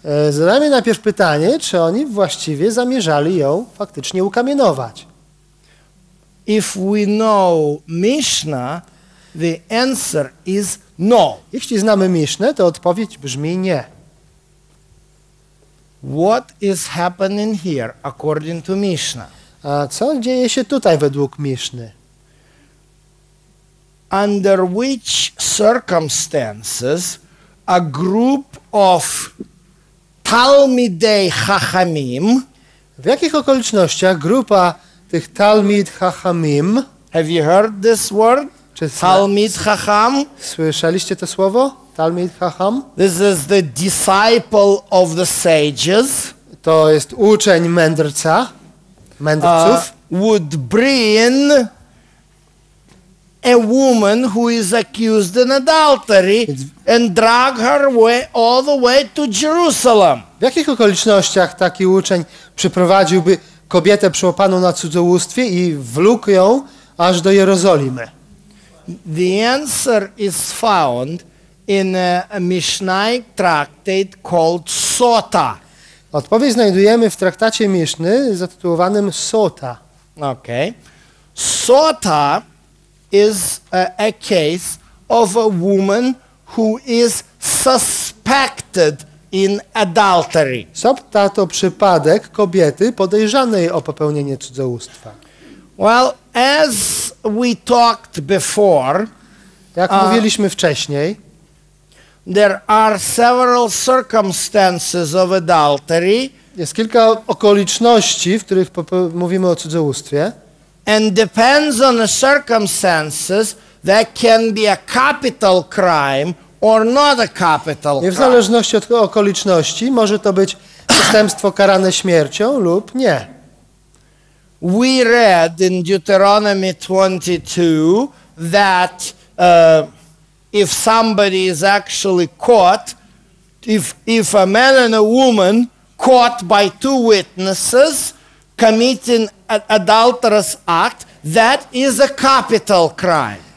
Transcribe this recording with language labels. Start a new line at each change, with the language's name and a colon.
Polish: Zadajmy najpierw pytanie, czy oni właściwie zamierzali ją faktycznie ukamienować.
English: If we know Mishnah, the answer is no.
Polish: Jeśli znamy Mishnę, to odpowiedź brzmi nie.
English: What is happening here according to Mishnah?
Polish: A co dzieje się tutaj według Mishny?
English: Under which circumstances a group of Talmidei Chachamim,
Polish: w jakich okolicznościach grupa tych Talmid Chachamim,
English: have you heard this word? Talmid Chacham?
Polish: Słyszeliście to słowo? Talmid Chacham?
English: This is the disciple of the sages.
Polish: To jest uczeń mędrca, mędrców.
English: Would bring a woman who is accused in adultery and drag her way all the way to Jerusalem.
Polish: W jakich okolicznościach taki uczeń przyprowadziłby kobietę przyłapaną na cudzołóstwie i wlókł ją aż do Jerozolimy?
English: The answer is found in a Mishnaic tractate called Sota.
Polish: Odpowiedź znajdujemy w traktacie Miszny zatytułowanym Sota.
English: Okay. Sota is a case of a woman who is suspected in adultery.
Polish: Sota to przypadek kobiety podejrzanej o popełnienie cudzołóstwa.
English: Well, as we talked before,
Polish: jak mówiliśmy wcześniej,
English: there are several circumstances of adultery.
Polish: Jest kilka okoliczności, w których mówimy o cudzołóstwie.
English: And depends on the circumstances, that can be a capital crime or not a capital crime.
Polish: I w zależności od okoliczności może to być przestępstwo karane śmiercią lub nie.
English: We read in Deuteronomy 22 that if somebody is actually caught, if a man and a woman caught by two witnesses committing an adulterous act, that is a capital crime.